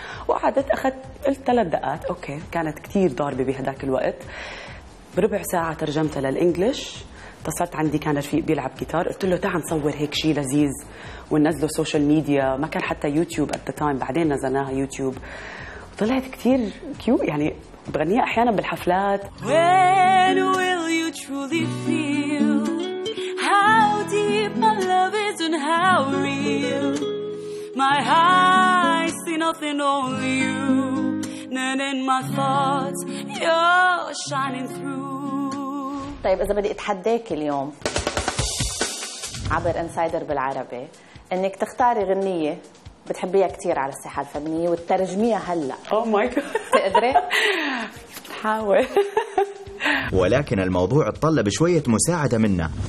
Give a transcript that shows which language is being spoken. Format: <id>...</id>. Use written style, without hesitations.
<ar>وقعدت أخذت ثلاث دقات، أوكي كانت كتير ضاربة بهداك الوقت. بربع ساعة ترجمتها للإنجليش، اتصلت عندي كان رفيق بيلعب جيتار، قلت له تعال نصور هيك شيء لذيذ وننزله سوشيال ميديا، ما كان حتى يوتيوب</ar> <en>at the time,</en> <ar>بعدين نزلناها يوتيوب وطلعت كثير كيو، يعني بغنيها احيانا بالحفلات.</ar> <en>When will you truly feel how deep my love is and how real my heart see nothing only you and in my thoughts you're shining through.</en> <ar>طيب إذا بدي أتحداك اليوم عبر إنسايدر بالعربي إنك تختاري غنية بتحبيها كتير على الساحة الفنية وترجميها هلأ،</ar> <en>أو my God</en> <ar>تقدري؟ حاول. ولكن الموضوع اتطلب شوية مساعدة منا.</ar>